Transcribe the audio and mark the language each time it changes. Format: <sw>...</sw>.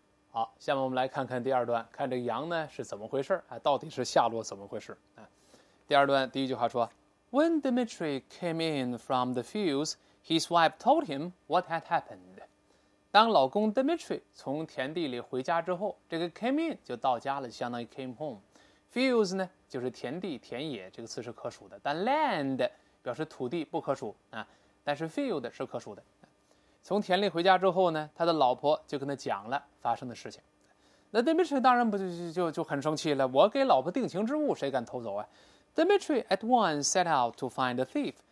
<zh>好，下面我们来看看第二段，看这个羊呢是怎么回事啊？到底是下落怎么回事啊？第二段第一句话说</zh> <en>：“When Dmitry came in from the fields, his wife told him what had happened。”</en> <zh>当老公 Dmitry 从田地里回家之后，这个</zh> <en>came in</en> <zh>就到家了，相当于</zh> <en>came home。</en> <zh>fields 呢就是田地、田野，这个词是可数的，但 land 表示土地不可数啊，但是 field 是可数的。从田里回家之后呢，他的老婆就跟他讲了发生的事情。那 Dmitry 当然不就很生气了，我给老婆定情之物，谁敢偷走啊？</zh> <en>Dmitry at once set out to find the thief.</en>